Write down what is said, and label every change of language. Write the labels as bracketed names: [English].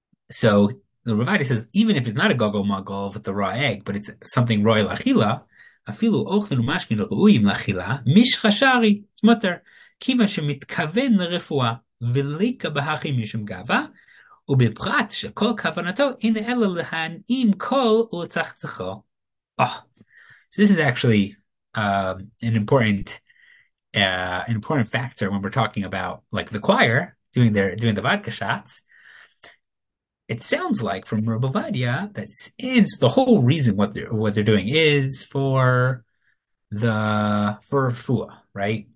[English] So, the Ravadi says even if it's not a guggle muggle with the raw egg, but it's something raw [Hebrew] lachila, afilu ochlin umashkin ra'uyim lachila, mish chashari, it's mutter, kiva shemit kaven lerefua, velika bahachim yishum gava. ובפרט שכל כוונתו אינה אלא להנעים כל ולצחצחו. [English] Oh, so this is actually an important factor when we're talking about like the choir doing the vodka shots. It sounds like from Rabbi Ovadia that since the whole reason what they're doing is for refuah, right?